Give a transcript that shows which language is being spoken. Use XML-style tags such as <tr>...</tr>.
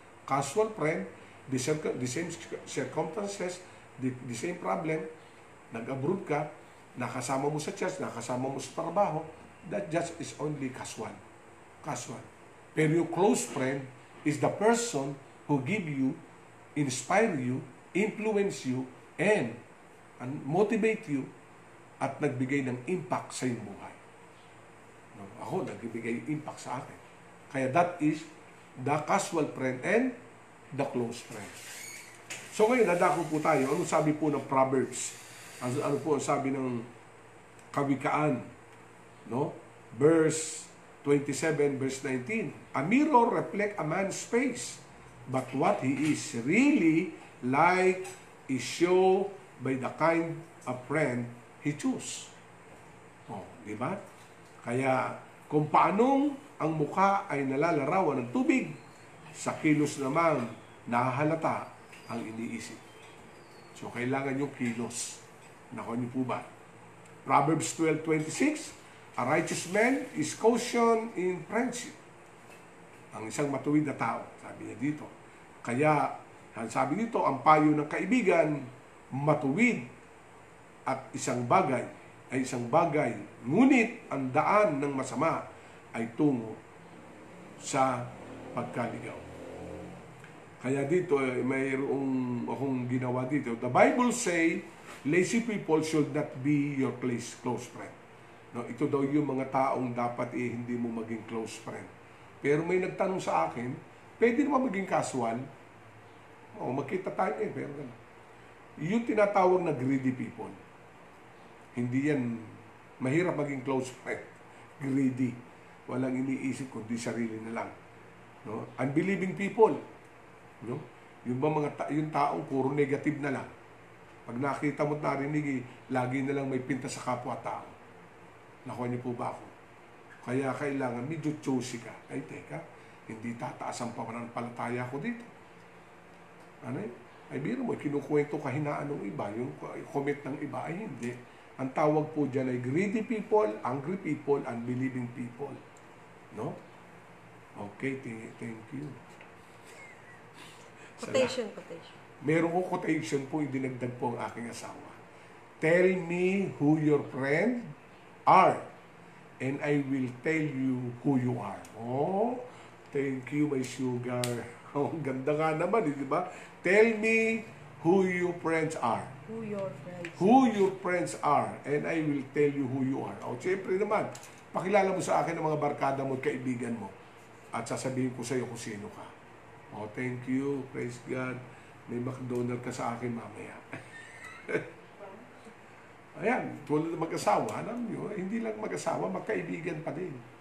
<en>Casual friend, the same circumstances, the same problem,</en> <tl>nag-abroad ka, nakasama mo sa church, nakasama mo sa trabaho,</tl> <en>that just is only casual. Casual. Pero yung close friend is the person who give you, inspire you, influence you, and motivate you</en> <tl>at nagbigay ng impact sa iyong buhay. No, ako, nagbigay impact sa akin.</tl> <en>Kaya that is the casual friend and the close friend.</en> <tl>So ngayon, nadako po tayo. Ano sabi po ng Proverbs? Ano po ang sabi ng Kawikaan? No?</tl> <en>Verse 27, verse 19. A mirror reflects a man's face, but what he is really like is shown by the kind of friend he choose.</en> <tl>Oh, di ba? Kaya kung paanong ang mukha ay nalalarawan ng tubig, sa kilos naman nahahalata ang iniisip. So kailangan yung kilos. Nakuha niyo po ba?</tl> <en>Proverbs 12:26, a righteous man is caution in friendship.</en> <tl>Ang isang matuwid na tao, sabi niya dito. Kaya, sabi dito, ang payo ng kaibigan, matuwid at isang bagay, ay isang bagay, ngunit ang daan ng masama ay tungo sa pagkaligaw. Kaya dito, mayroong akong ginawa dito.</tl> <en>The Bible say, lazy people should not be your close friend.</en> <tl>No, ito daw yung mga taong dapat eh, hindi mo maging close friend. Pero may nagtanong sa akin, pwede naman maging casual? Oo, magkita tayo eh. Pero yung tinatawag na greedy people, hindi yan mahirap maging close friend. Greedy. Walang iniisip kundi sarili na lang. No?</tl> <en>Unbelieving people.</en> <tl>No? Yung ba mga yung taong puro negative na lang. Pag nakita mo at narinig, lagi na lang may pinta sa kapwa tao. Nakuha niyo po ba ako? Kaya kailangan, medyo choosy ka. Ay, teka, hindi tataas ang pananampalataya ko dito. Ano yun? Ay, biro mo, kinukwento kahinaan ng iba, yung comment ng iba, ay hindi. Ang tawag po dyan ay greedy people, angry people, unbelieving people.</tl> <en>No? Okay, thank you. Quotation, quotation.</en> <tl>Meron ko quotation po, idinagdag po ang aking asawa.</tl> <en>Tell me who your friend are, and I will tell you who you are. Oh, thank you, my sugar.</en> <tl>Oh, ganda nga naman, di ba?</tl> <en>Tell me who your friends are. Who your friends are, and I will tell you who you are.</en> <tl>Oh, siyempre naman, pakilala mo sa akin ang mga barkada mo at kaibigan mo. At sasabihin ko sa iyo kung sino ka.</tl> <en>Oh, thank you, praise God.</en> <tl>May McDonald ka sa akin mamaya. Ayan, tulad ng mag-asawa, alam nyo, hindi lang mag-asawa, magkaibigan pa din.</tl>